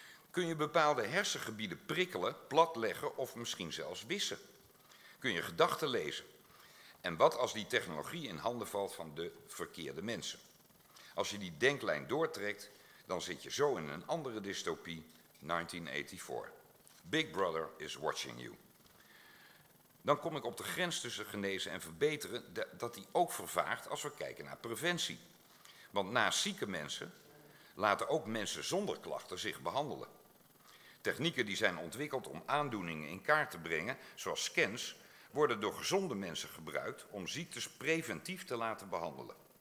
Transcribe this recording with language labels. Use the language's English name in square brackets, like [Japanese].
[Dutch] Kun je bepaalde hersengebieden prikkelen, platleggen of misschien zelfs wissen? Kun je gedachten lezen? En wat als die technologie in handen valt van de verkeerde mensen? Als je die denklijn doortrekt, dan zit je zo in een andere dystopie, 1984. [English] Big Brother is watching you. [Dutch] Dan kom ik op de grens tussen genezen en verbeteren, dat die ook vervaagt als we kijken naar preventie. Want naast zieke mensen laten ook mensen zonder klachten zich behandelen. Technieken die zijn ontwikkeld om aandoeningen in kaart te brengen, zoals scans, worden door gezonde mensen gebruikt om ziektes preventief te laten behandelen.